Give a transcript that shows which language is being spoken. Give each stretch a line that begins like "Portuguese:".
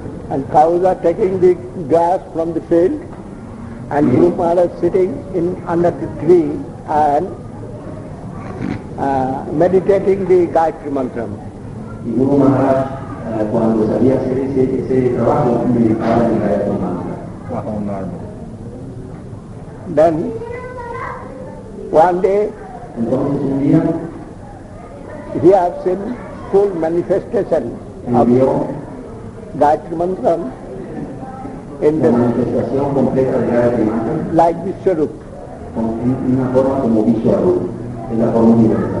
English: And cows are taking the grass from the field, and Guru Maharaj is sitting in under the tree and meditating the Gayatri Mantra.
Spanish: Guru Maharaj, cuando sabía hacer ese trabajo, meditaba en el Gayatri Mantra.
English: Then, one day,
Spanish: entonces, un día,
English: he has seen full manifestation of Gayatri Mantra in the
Spanish: manifestation completa de Gayatri Mantra,
English: like Vishwarup,
Spanish: una forma como Vishwarup, en la forma universal.